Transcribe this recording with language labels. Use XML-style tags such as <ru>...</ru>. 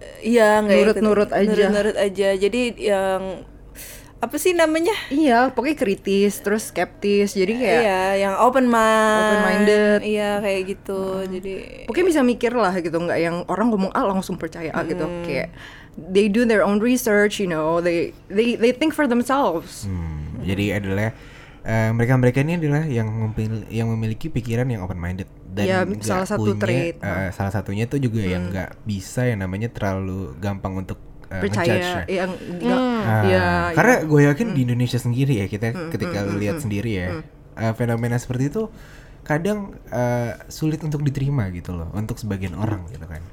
<id>iya nurut-nurut aja. Jadi yang apa sih namanya? Iya, pokoknya kritis, terus skeptis. Jadi kayak iya, yang open minded. Iya kayak gitu. Jadi pokoknya bisa mikir lah gitu, nggak yang orang ngomong langsung percaya gitu.</id> <en>Kayak they do their own research, you know, they think for themselves.</en> <id>Jadi adalah mereka-mereka ini adalah yang memiliki pikiran yang open minded dan ya, salah satu punya,</id> <en>trait.</en> <id>Salah satunya itu juga yang nggak bisa yang namanya terlalu gampang untuk percaya nge-judge-nya. Yang karena gue yakin di Indonesia sendiri ya kita ketika lihat sendiri ya fenomena seperti itu kadang sulit untuk diterima gitu loh untuk sebagian orang gitu kan.</id>